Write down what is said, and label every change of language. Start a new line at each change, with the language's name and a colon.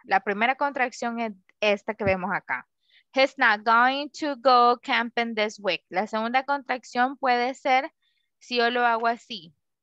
Spanish: La primera contracción es esta que vemos acá.
English: He's not going to go camping this week.
Spanish: La segunda contracción puede ser, si yo lo hago así.